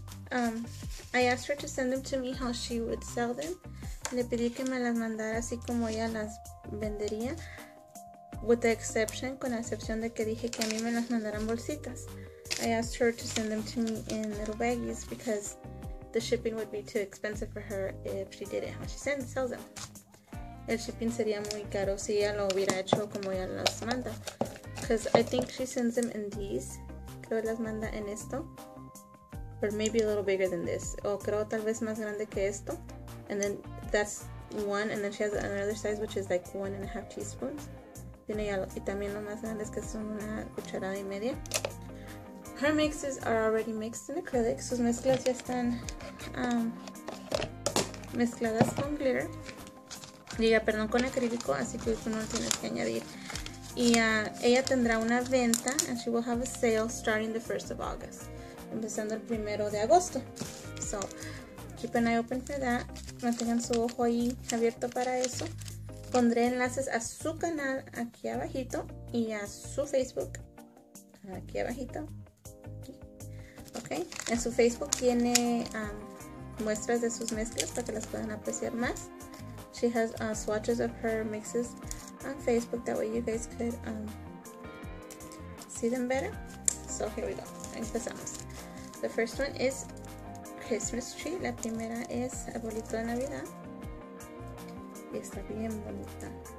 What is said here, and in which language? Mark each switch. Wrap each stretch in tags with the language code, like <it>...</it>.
<en>And I asked her to send them to me how she would sell them.</en> <es>Le pedí que me las mandara así como ella las vendería.</es> <en>With the exception,</en> <es>con la excepción de que dije que a mí me las mandaran bolsitas.</es> <en>I asked her to send them to me in little baggies because the shipping would be too expensive for her if she did it how she sells them.</en> <es>El shipping sería muy caro si ella lo hubiera hecho como ella las manda.</es> <en>Because I think she sends them in these.</en> <es>Creo que las manda en esto.</es> <en>Or maybe a little bigger than this.</en> <es>O creo tal vez más grande que esto.</es> <en>And then that's one. And then she has another size which is like 1.5 teaspoons.</en> <es>Tiene ya lo, y también lo más grande es que son una cucharada y media.</es> <en>Her mixes are already mixed in acrylic.</en> <es>Sus mezclas ya están mezcladas con glitter. Diga, perdón, con acrílico, así que tú no lo tienes que añadir. Y ella tendrá una venta,</es> <en>and she will have a sale starting the 1st of August.</en> <es>Empezando el 1 de agosto.</es> <en>So, keep an eye open for that.</en> <es>Mantengan su ojo ahí abierto para eso. Pondré enlaces a su canal aquí abajito y a su Facebook aquí abajito. Ok, en su Facebook tiene muestras de sus mezclas para que las puedan apreciar más.</es> <en>She has swatches of her mixes on Facebook. That way you guys could see them better. So here we go.</en> <es>Empezamos.</es> <en>The first one is Christmas tree.</en> <es>La primera es arbolito de Navidad. Y está bien bonita.</es>